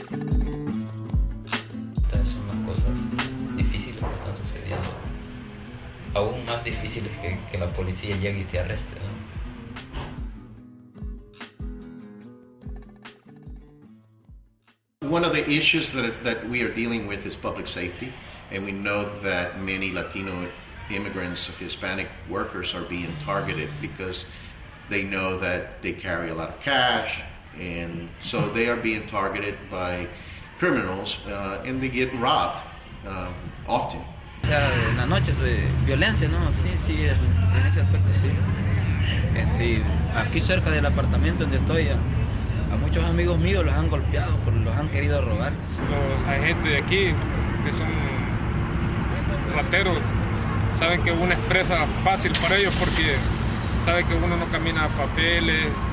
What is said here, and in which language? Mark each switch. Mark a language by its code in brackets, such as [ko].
[es] Estas son las cosas difíciles que están sucediendo. Aún más difíciles que la policía llegue y te arreste, ¿no? [en] one of the issues that we are dealing with is public safety, and we know that many Latino immigrants, Hispanic workers are being targeted because they know that they carry a lot of cash, and so they are being targeted by criminals, and they get robbed often. [es] O sea, en las noches de violencia, ¿no? Sí, en ese aspecto, sí. Es decir, aquí cerca del apartamento donde estoy, a muchos amigos míos los han golpeado, los han querido robar. Hay gente de aquí que son rateros, saben que es una empresa fácil para ellos porque saben que uno no camina a papeles.